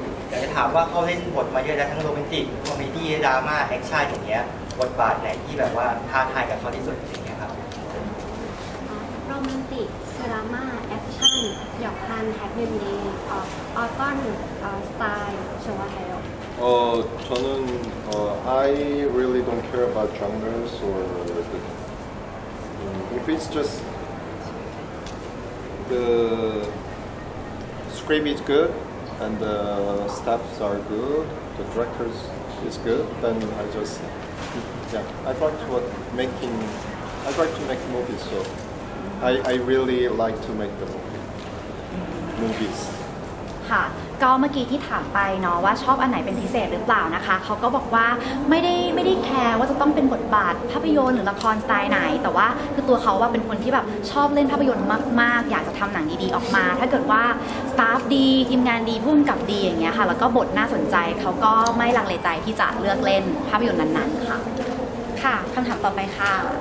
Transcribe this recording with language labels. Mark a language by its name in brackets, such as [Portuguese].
[Thai] แต่จะถามว่าเขาเล่นบทมาเยอะแล้วทั้งโรแมนติกคอมเมดี้ดราม่าแอคชั่นอย่างเงี้ยบทบาทไหนที่แบบว่าท้าทายกับเขาที่สุดอย่างเงี้ยครับ โรแมนติกดราม่าแอคชั่นหยอกคันแฮปปี้เดย์ออตตอนสไตล์โชว์แฮล [English] 저는 I really don't care about genres or if it's just theScript is good, and the staffs are good, the directors is good, then I just, yeah, I'd like to make movies, so I really like to make the movies. [Thai] ค่ะก็เมื่อกี้ที่ถามไปเนาะว่าชอบอันไหนเป็นพิเศษหรือเปล่านะคะเขาก็บอกว่าไม่ได้แคร์ว่าจะต้องเป็นบทบาทภาพยนตร์หรือละครสไตล์ไหนแต่ว่าคือตัวเขาว่าเป็นคนที่แบบชอบเล่นภาพยนตร์มากๆอยากจะทำหนังดีๆออกมาถ้าเกิดว่าสตาฟดีทีมงานดีผู้กำกับดีอย่างเงี้ยค่ะแล้วก็บทน่าสนใจเขาก็ไม่ลังเลใจที่จะเลือกเล่นภาพยนตร์นั้นๆค่ะค่ะคำถามต่อไปค่ะ